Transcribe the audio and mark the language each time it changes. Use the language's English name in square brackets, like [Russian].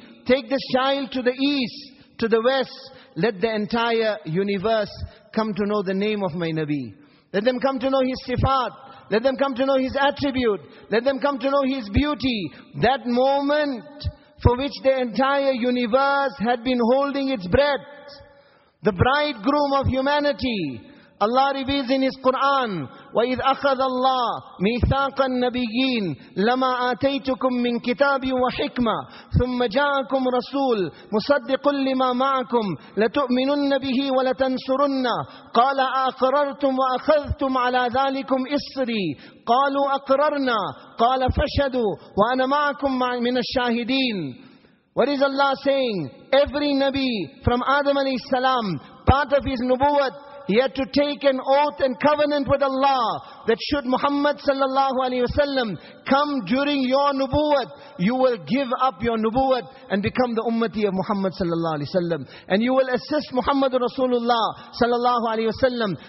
[English] Take this child to the east, to the west. Let the entire universe come to know the name of my Nabi. Let them come to know his sifat. Let them come to know his attribute. Let them come to know his beauty. That moment for which the entire universe had been holding its breath. The bridegroom of humanity. [Arabic] Allah reveals in His Quran, وَإِذْ أَخَذَ اللَّهُ مِيثَاقَ النَّبِيِّينَ لَمَا آتَيْتُكُم مِّن كِتَابٍ وَحِكْمَةٍ ثُمَّ جَاءَكُم رَسُولٌ مُصَدِّقٌ لِّمَا مَعَكُمْ لَتُؤْمِنُنَّ بِهِ وَلَتَنصُرُنَّهُ قَالَ أَأَقْرَرْتُمْ وَأَخَذْتُمْ عَلَى ذَلِكُمْ إِصْرِي قَالُوا أَقْرَرْنَا قَالَ فَاشْهَدُوا وَأَنَا مَعَكُم مِّنَ الشَّاهِدِينَ. [English] What is Allah saying? Every Nabi from Adam alayhi salam, part of his nubuwwat, he had to take an oath and covenant with Allah that should Muhammad sallallahu alaihi wasallam come during your nubuwwat, you will give up your nubuwwat and become the ummati of Muhammad sallallahu alaihi wasallam, and you will assist Muhammad Rasulullah sallallahu alaihi wasallam.